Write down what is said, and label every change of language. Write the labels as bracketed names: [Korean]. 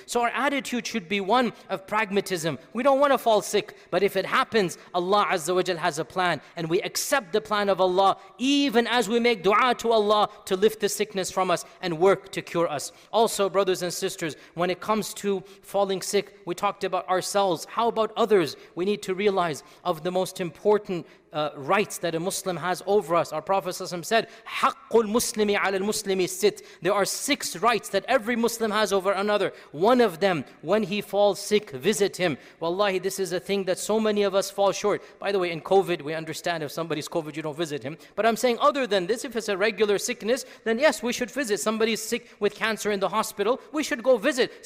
[English] So our attitude should be one of pragmatism. We don't want to fall sick, but if it happens, Allah Azza wa Jal has a plan, and we accept the plan of Allah even as we make dua to Allah to lift the sickness from us and work to cure us. Also, brothers and sisters, when it comes to falling sick, we talked about ourselves. How about others? We need to realize of the most important rights that a Muslim has over us. Our Prophet ﷺ said, [Arabic] حَقُّ الْمُسْلِمِ عَلَى الْمُسْلِمِ [English] sit. There are six rights that every Muslim has over another. One of them, when he falls sick, visit him. Wallahi, this is a thing that so many of us fall short. By the way, in COVID, we understand if somebody's COVID, you don't visit him. But I'm saying other than this, if it's a regular sickness, then yes, we should visit. Somebody's sick with cancer in the hospital, we should go visit.